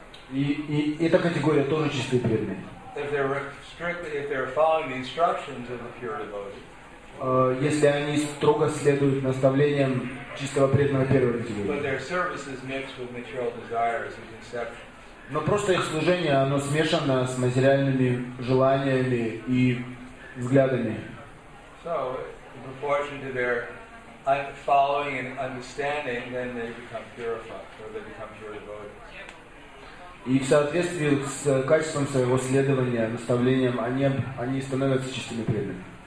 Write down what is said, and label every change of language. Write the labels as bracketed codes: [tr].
[ru] И эта категория тоже чистые преданные. [en] If they're following the instructions of the pure devotee. [ru] Если они строго следуют наставлениям чистого преданного первого категории. [en] But their service is mixed with material desires and conceptions. [ru] Но просто их служение, оно смешано с материальными желаниями и взглядами. [en] So, in proportion to their following and understanding, then they become purified, or they become pure devotees. [ru] И в соответствии с качеством своего следования, наставлением, они становятся чистыми преданными.